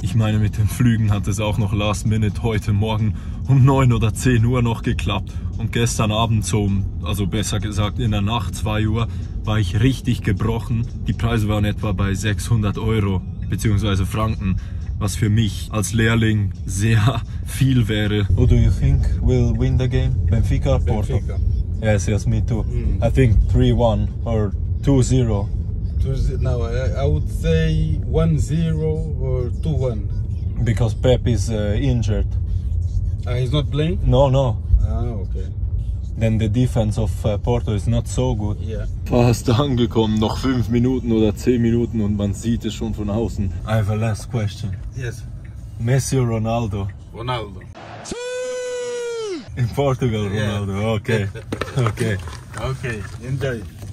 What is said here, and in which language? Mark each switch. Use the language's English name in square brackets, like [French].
[German] Ich meine, mit den Flügen hat es auch noch last minute heute Morgen um 9 oder 10 Uhr noch geklappt. Und gestern Abend in der Nacht 2 Uhr, war ich richtig gebrochen. Die Preise waren etwa bei 600 Euro bzw. Franken. Was für mich als Lehrling sehr viel wäre. [English] Who do you think will win the game? Benfica or Porto? Benfica. Yes, me too. Mm. I think 3-1 or 2-0. I would say 1-0 or 2-1. Because Pep is injured. He's not playing? No. Ah, okay. Denn the defense of Porto is not so good. Yeah. [German] Fast angekommen, noch 5 Minuten oder 10 Minuten und man sieht es schon von außen. [English] I have a last question. Yes. Messi or Ronaldo? Ronaldo. In Portugal, yeah. Ronaldo. Okay. Okay. Okay. Enjoy.